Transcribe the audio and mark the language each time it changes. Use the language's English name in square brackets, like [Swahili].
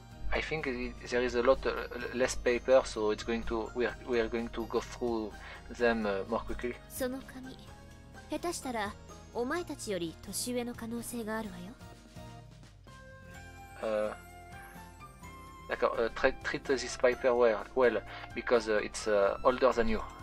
[English] I think there is a lot less paper, so it's going to we are going to go through them more quickly. [Japanese] その紙、下手したらお前たちより年上の可能性があるわよ。 [French] D'accord. [English] Treat this paper well because it's older than you.